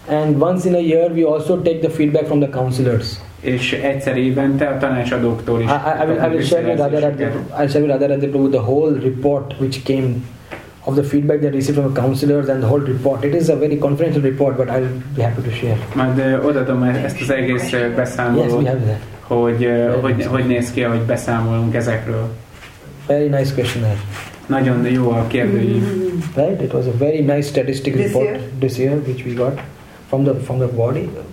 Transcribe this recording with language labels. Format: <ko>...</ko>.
<en>And once in a year we also take the feedback from the counselors.</en> <hu>És egyszer évente a tanácsadóktól is.</hu> <en>I will share with Radha the whole report which came of the feedback they received from the counselors and the whole report. It is a very confidential report, but I'll be happy to share.</en> <hu>Majd odaadom ezt az egész beszámolót.</hu> <en>Yes, we have that.</en> <hu>Hogy néz ki, ahogy beszámolunk ezekről.</hu> <en>Very nice questionnaire.</en> <hu>Nagyon jó a kérdői.</hu> <en>Right, it was a very nice statistic report this year which we got from the body.</en>